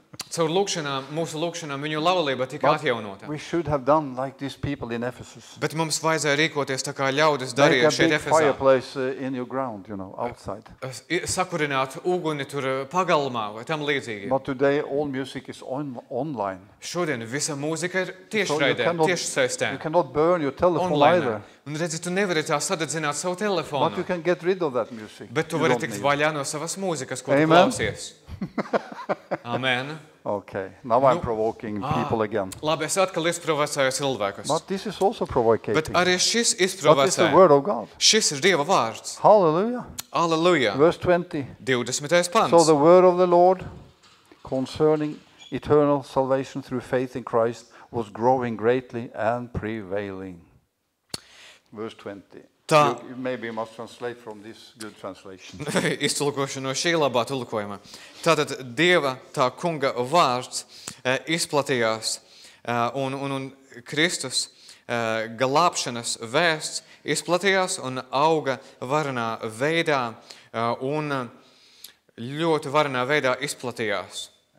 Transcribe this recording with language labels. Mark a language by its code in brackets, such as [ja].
[lv] Caur lūkšanām, mūsu lūkšanām viņu laulība tika atjaunota. [en] We should have done like these people in Ephesus. [lv] Bet mums vajadzēja rīkoties tā kā ļaudis darīja šeit Efesā. [en] Make a big fireplace in your ground, you know, outside. [lv] Sakurināt uguni tur pagalmā vai tam līdzīgi. [en] But today all music is online. [lv] Šodien visa mūzika ir tiešraidē, tieši saistē. [en] You cannot burn your telephone either. [lv] Un redzi, tu nevari tā sadedzināt savu telefonu. [en] But you can get rid of that music. [lv] Bet tu vari tikt vaļā no savas mūzikas, ko tu klausies. Amen. [en] Okay. Now I'm provoking people again. [lv] Labi, es atkal izprovocēju cilvēkus. [en] But this is also provocating. [lv] Bet arī šis izprovocē. [en] But it's the word of God. [lv] Šis ir Dieva vārds. [en] Hallelujah. Hallelujah. Verse 20. [lv] 20. Pants. [en] So the word of the Lord concerning eternal salvation through faith in Christ was growing greatly and prevailing. Verse 20. You maybe must translate from this good translation. [lv] Iztulkošu no šī labā tulkojuma. Tātad Dieva, tā Kunga vārds izplatījās un Kristus glābšanas vēsts izplatījās un auga varenā veidā un ļoti varenā veidā izplatījās.